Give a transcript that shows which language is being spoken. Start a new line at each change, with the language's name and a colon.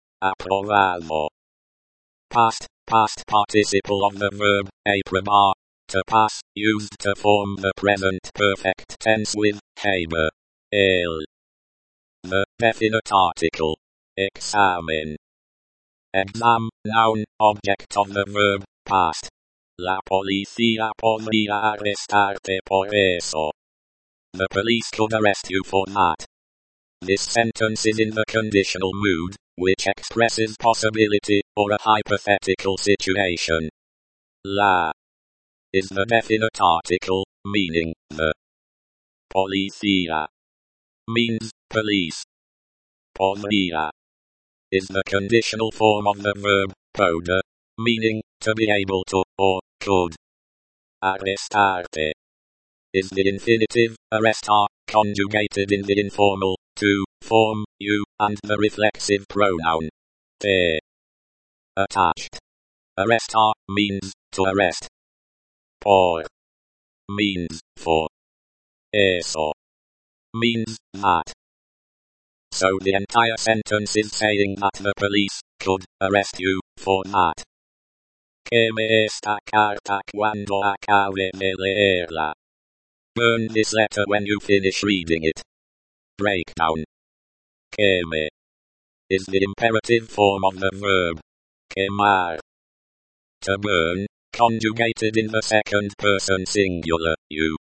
English: Aprobado. Past, past participle of the verb, aprobar. To pass, used to form the present perfect tense with, haber. El. The, definite article. Examen. Exam, noun, object of the verb, past.
Spanish: La policía podría arrestarte por eso.
English: The police could arrest you for that. This sentence is in the conditional mood, which expresses possibility, or a hypothetical situation. La is the definite article, meaning the. Policía means police. Podría is the conditional form of the verb, poder, meaning to be able to, or could. Arrestarte is the infinitive, arrestar, conjugated in the informal, to, form, you, and the reflexive pronoun, te. Attached. Arrestar, means, to arrest. Por, means, for. Eso, means, that. So the entire sentence is saying that the police, could, arrest you, for that.
Spanish: Queme esta carta cuando acabe de leerla.
English: Burn this letter when you finish reading it. Breakdown. Queme is the imperative form of the verb. Quemar. To burn, conjugated in the second person singular, you.